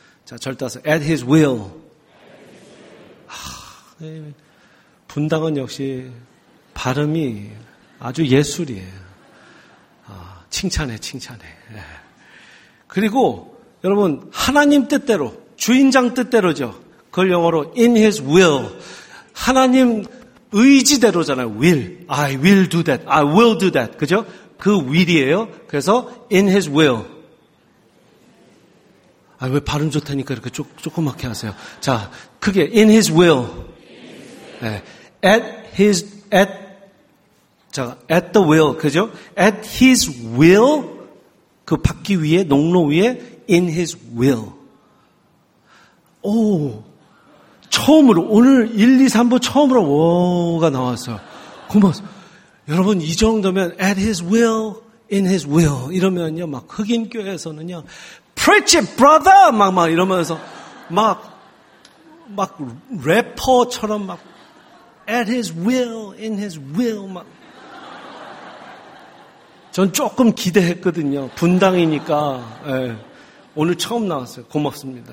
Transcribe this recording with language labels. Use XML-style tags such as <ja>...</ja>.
<ko>자 절 따서</ko> <en>at his will.</en> <ko>하, 분당은 역시 발음이 아주 예술이에요. 칭찬해, 칭찬해. 그리고 여러분 하나님 뜻대로, 주인장 뜻대로죠. 그걸 영어로</ko> <en>in his will.</en> <ko>하나님 의지대로잖아요.</ko> <en>will. I will do that. I will do that.</en> <ko>그죠?</ko> <en>그 will이에요.</en> <ko>그래서</ko> <en>in his will.</en> <ko>아, 왜 발음 좋다니까 이렇게 조그맣게 하세요. 자, 크게</ko> <en>in his will.</en> <ko>네.</ko> <en>at his, at</en> <ko>자,</ko> <en>at the will,</en> <ko>그죠?</ko> <en>At his will,</en> <ko>그 바퀴 위에, 농로 위에,</ko> <en>in his will.</en> <ko>오, 처음으로, 오늘 1, 2, 3부 처음으로, 오,가 나왔어요. 고마워요. 여러분, 이 정도면,</ko> <en>at his will, in his will.</en> <ko>이러면요, 막, 흑인교회에서는요,</ko> <en>preach it, brother!</en> <ko>막 이러면서, 막, 래퍼처럼 막,</ko> <en>at his will, in his will.</en> <ko>막. 전 조금 기대했거든요. 분당이니까. 예. 오늘 처음 나왔어요. 고맙습니다.</ko>